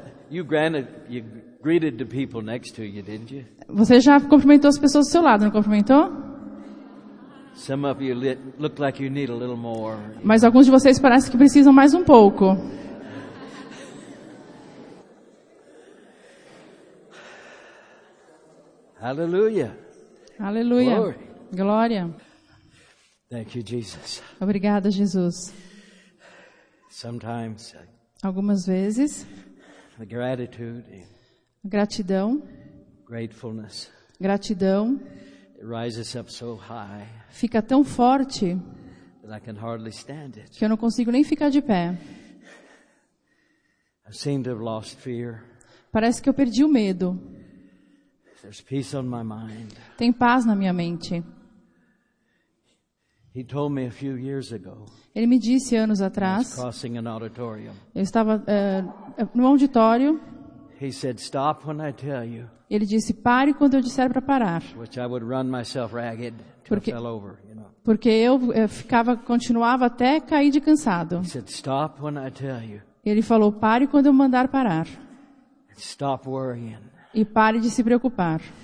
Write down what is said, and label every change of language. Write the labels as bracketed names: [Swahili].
[English] You greeted the people next to you, didn't you? [Portuguese] Você já cumprimentou as pessoas do seu lado, não cumprimentou? [English] Some of you look like you need a little more. [Portuguese] Mas alguns de vocês parece que precisam mais um pouco. [English] Hallelujah. [Portuguese] Aleluia. Glória. [English] Thank you, Jesus. [Portuguese] Obrigada, Jesus. [English] Sometimes. [Portuguese] Algumas vezes. [English] The gratitude. [Portuguese] Gratidão. [English] Gratefulness. [Portuguese] Gratidão. [English] It rises up so high. [Portuguese] Fica tão forte. [English] That I can hardly stand it. [Portuguese] Que eu não consigo nem ficar de pé. [English] I seem to have lost fear. [Portuguese] Parece que eu perdi o medo. [English] There's peace on my mind. [Portuguese] Tem paz na minha mente. [English] He told me a few years ago. [Portuguese] Ele me disse anos atrás. [English] Crossing an auditorium. [Portuguese] Eu estava no auditório. [English] He said, "Stop when I tell you." [Portuguese] Ele disse, pare quando eu disser para parar. [English] Which I would run myself ragged till I fell over, you know. [Portuguese] Porque eu continuava até cair de cansado. [English] He said, "Stop when I tell you." [Portuguese] Ele falou, pare quando eu mandar parar. [English] Stop worrying. [Portuguese] E pare de se preocupar.